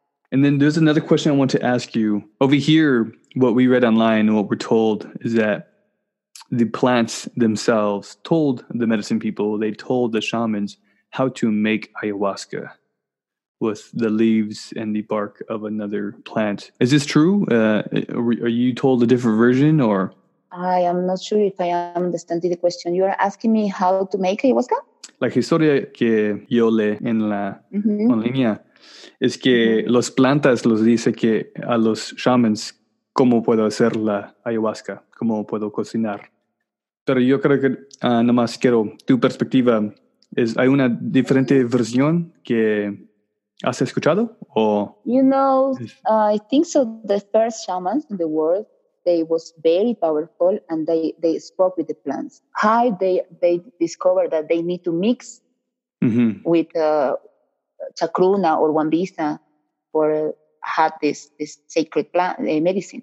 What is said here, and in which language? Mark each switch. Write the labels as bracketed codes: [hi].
[en] And then there's another question I want to ask you. Over here, what we read online and what we're told is that the plants themselves told the medicine people, they told the shamans how to make ayahuasca with the leaves and the bark of another plant. Is this true? Are you told a different version, or? I am not sure if I understand the question. You are asking me how to make ayahuasca? [es] La historia que yo le en la en línea es que los plantas los dice que a los shamans cómo puedo hacer la ayahuasca, cómo puedo cocinar. Pero yo creo que nomás quiero tu perspectiva. ¿Hay una diferente versión que has escuchado? O [en] you know, I think so. The first shamans in the world, they was very powerful and they spoke with the plants. How they discovered that they need to mix mm-hmm. with chacruna or wambisa for had this sacred plant medicine.